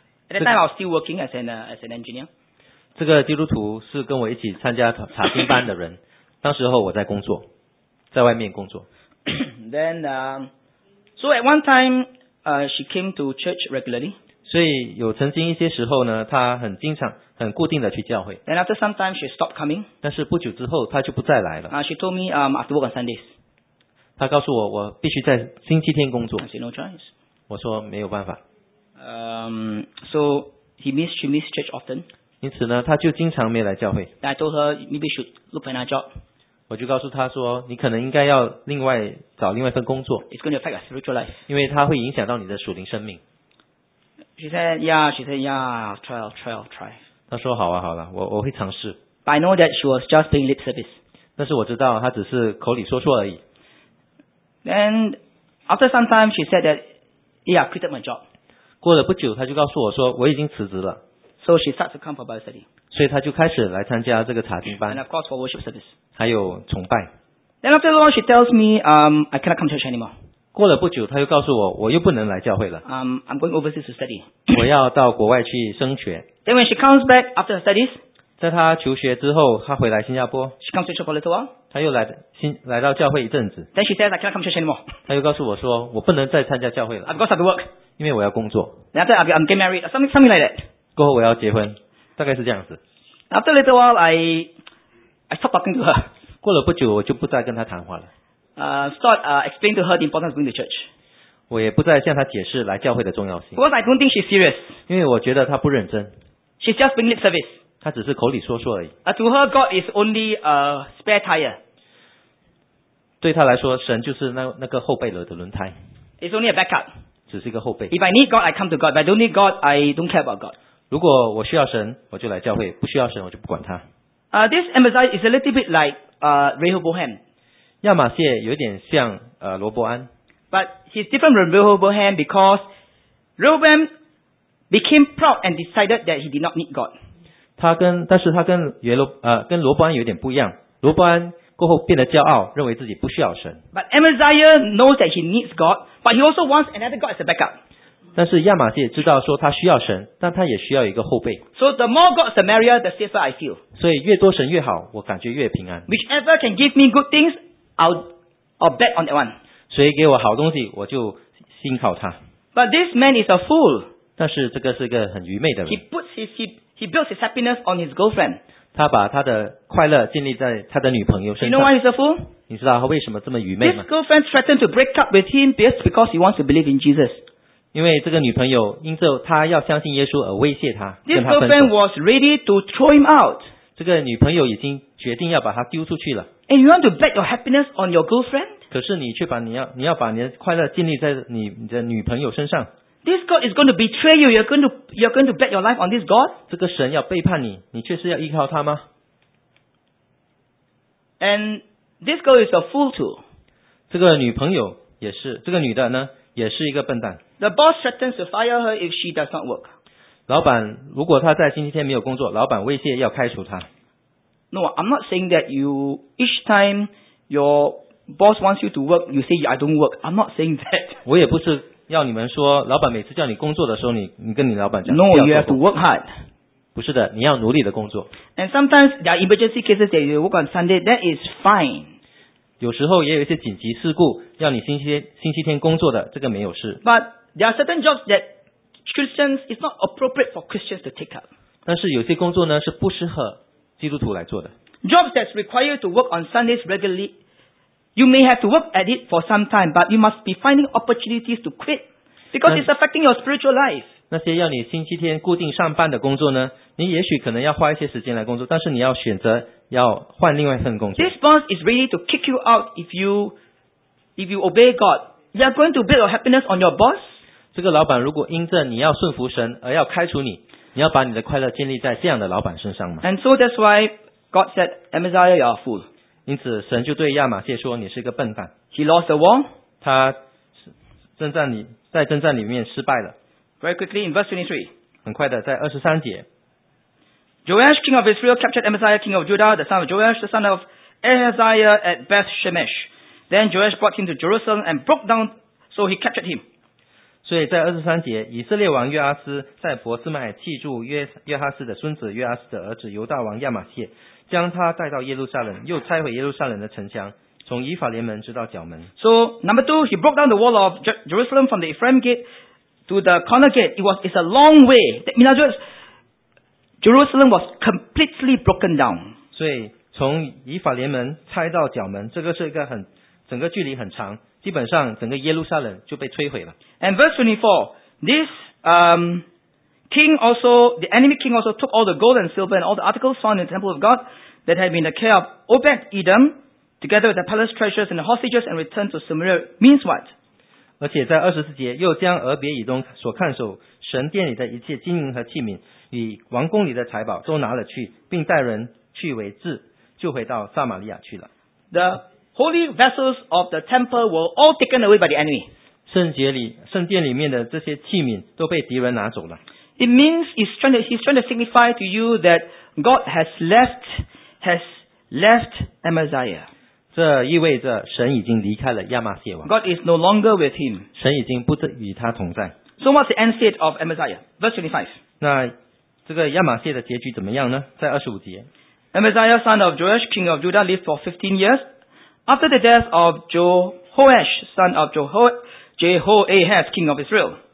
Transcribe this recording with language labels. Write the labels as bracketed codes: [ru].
[en] At that time, I was still working as an engineer. [zh] 这个基督徒是跟我一起参加查经班的人。当时候我在工作，在外面工作。 [en] Then, so at one time. She came to church regularly. [zh] 所以有曾经一些时候呢，她很经常、很固定的去教会。 [en] And after some time, she stopped coming. [zh] 但是不久之后，她就不再来了。 [en] She told me, I have to work on Sundays. [zh] 她告诉我，我必须在星期天工作。 [en] I said no choice. [zh] 我说没有办法。 [en] So she missed church often. [zh] 因此呢，她就经常没来教会。 [en] I told her maybe should look for another job. [zh] 我就告诉她说，你可能应该要另外。找另外一份工作， [en] It's going to affect your spiritual life. [zh] 因为它会影响到你的属灵生命。 [en] She said, "Yeah." She said, "Yeah." I'll try. [zh] 她说好啊，好了，我会尝试。 [en] But I know that she was just paying lip service. [zh] 但是我知道她只是口里说说而已。 [en] Then after some time, she said that, "Yeah, I quit my job." [zh] 过了不久，她就告诉我说我已经辞职了。 [en] So she starts to come for Bible study. [zh] 所以她就开始来参加这个查经班。 [en] And of course, for worship service. [zh] 还有崇拜。 [en] Then after a while, she tells me, I cannot come to church anymore. [zh] 过了不久，她又告诉我，我又不能来教会了。 [en] I'm going overseas to study. [zh] 我要到国外去升学。 [en] Then when she comes back after her studies, [zh] 在他求学之后，他回来新加坡。 [en] She comes to church a little while. [zh] 他又来到教会一阵子。 [en] Then she says, "I cannot come to church anymore." [zh] 他又告诉我说，我不能再参加教会了。 [en] I've got to work. [zh] 因为我要工作。 [en] Then after I'm getting married, something like that. [zh] 过后我要结婚，大概是这样子。 [en] After a little while, I stop talking to her. [zh] 过了不久，我就不再跟他谈话了。 [en] Explain to her the importance of going to church. [zh] 我也不再向他解释来教会的重要性。 [en] Because I don't think she's serious. [zh] 因为我觉得他不认真。 [en] She's just doing lip service. [zh] 他只是口里说说而已。 [en] To her, God is only a spare tire. [zh] 对他来说，神就是那个后备的轮胎。 [en] It's only a backup. [zh] 只是一个后备。 [en] If I need God, I come to God. If I don't need God, I don't care about God. [zh] 如果我需要神，我就来教会；不需要神，我就不管他。 [en] This Amaziah is a little bit like Rehoboam. [zh] 亚玛谢有点像罗伯安。 [en] But he's different from Rehoboam because Rehoboam became proud and decided that he did not need God. [zh] 但是他跟罗伯安有点不一样。罗伯安过后变得骄傲，认为自己不需要神。 [en] But Amaziah knows that he needs God, but he also wants another God as a backup. [zh] 但是亚玛谢知道说他需要神，但他也需要一个后备。 [en] So the more God, the merrier, the safer I feel. [zh] 所以越多神越好，我感觉越平安。 [en] Whichever can give me good things, I'll bet on that one. [zh] 谁给我好东西，我就信靠他。 [en] But this man is a fool. [zh] 但是这个是一个很愚昧的人。 [en] He builds his happiness on his girlfriend. [zh] 他把他的快乐建立在他的女朋友身上。 [en] You know why he's a fool? [zh] 你知道他为什么这么愚昧吗？ [en] His girlfriend threatened to break up with him just because he wants to believe in Jesus. [zh] 因为这个女朋友因着他要相信耶稣而威胁他。 [en] This girlfriend was ready to throw him out. [zh] 这个女朋友已经决定要把他丢出去了。 [en] And you want to bet your happiness on your girlfriend? [zh] 可是你却把你要把你的快乐建立在你的女朋友身上。 [en] This God is going to betray you. You're going to bet your life on this God? [zh] 这个神要背叛你，你却是要依靠他吗？ [en] And this girl is a fool too. [zh] 这个女朋友也是，这个女的呢，也是一个笨蛋。 [en] The boss threatens to fire her if she does not work. [zh] 老板，如果她在星期天没有工作，老板威胁要开除她。 [en] No, I'm not saying that you each time your boss wants you to work, you say I don't work. I'm not saying that. [zh] 我也不是。要你们说，老板每次叫你工作的时候，你跟你老板讲 [en] ，No, you have to work hard. [zh] 不是的，你要努力的工作。 [en] And sometimes there are emergency cases that you work on Sunday. That is fine. [zh] 有时候也有一些紧急事故要你星期天工作的，这个没有事。 [en] But there are certain jobs that Christians it's not appropriate for Christians to take up. [zh] 但是有些工作呢是不适合基督徒来做的。 [en] Jobs that require to work on Sundays regularly. You may have to work at it for some time, but you must be finding opportunities to quit because it's affecting your spiritual life. [zh] 那些要你星期天固定上班的工作呢？你也许可能要花一些时间来工作，但是你要选择要换另外一份工作。 [en] This boss is ready to kick you out if you obey God. You are going to build your happiness on your boss. [zh] 这个老板如果因着你要顺服神而要开除你，你要把你的快乐建立在这样的老板身上吗 [en] ？And so that's why God said, "Amaziah, you are a fool." [zh] 因此神就对亚玛谢说你是一个笨蛋。 [en] He lost the war. [zh] 他在征战里面失败了。 [en] Very quickly in verse 23. [zh] 很快的在23节。 [en] Joash, king of Israel, captured Amaziah, king of Judah, the son of Joash, the son of Ahaziah at Beth Shemesh. Then Joash brought him to Jerusalem and broke down, so he captured him. [zh] 所以在23节以色列王约阿斯在伯斯麦弃住约哈斯的孙子约阿斯的儿子犹大王亚玛谢。将他带到耶路撒冷，又拆毁耶路撒冷的城墙，从以法莲门直到角门。 [en] So number two, he broke down the wall of Jerusalem from the Ephraim gate to the corner gate. It's a long way. In other words, Jerusalem was completely broken down. [zh] 所以从以法莲门拆到角门，这个是一个很整个距离很长，基本上整个耶路撒冷就被摧毁了。 [en] And verse 24, this King also, the enemy king also took all the gold and silver and all the articles found in the temple of God that had been the care of Obed-Edom together with the palace treasures and the hostages and returned to Samaria. Means what? [zh] 而且在24节又将俄别以东所看守神殿里的一切金银和器皿与王宫里的财宝都拿了去并带人去为质就回到撒玛利亚去了。 [en] The holy vessels of the temple were all taken away by the enemy. [zh] 圣殿里面的这些器皿都被敌人拿走了。 [en] It means he's trying to signify to you that God has left Amaziah. [zh] 这意味着神已经离开了亚玛谢王。 [en] God is no longer with him. [zh] 神已经不与他同在。 [en] So what's the end state of Amaziah? Verse 25. [zh] 那这个亚玛谢的结局怎么样呢？在二十五节。 [en] Amaziah, son of Joash, king of Judah, lived for 15 years. After the death of Jehoash, son of Jehoahaz, king of Israel.